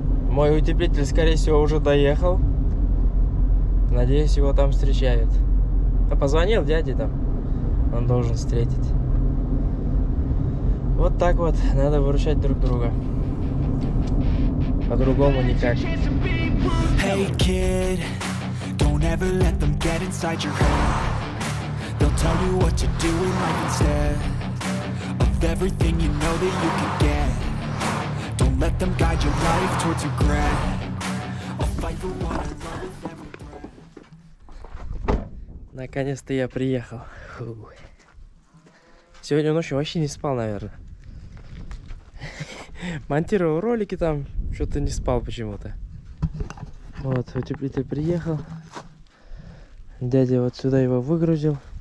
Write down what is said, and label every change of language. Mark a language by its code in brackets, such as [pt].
[ru] Мой утеплитель, скорее всего, уже доехал. Надеюсь, его там встречают. А позвонил дяде там, он должен встретить. Вот так вот, надо выручать друг друга. По-другому никак. [en] Hey kid, don't ever let them get inside your head. They'll tell you what to do in life instead of everything you know that you can get. Don't let them guide your life towards regret. I'll fight for what I love with every breath. [ru] Наконец-то я приехал. Фу. Сегодня ночью вообще не спал, наверное. Монтировал ролики там, что-то не спал почему-то. Вот, утеплитель приехал. Дядя вот сюда его выгрузил.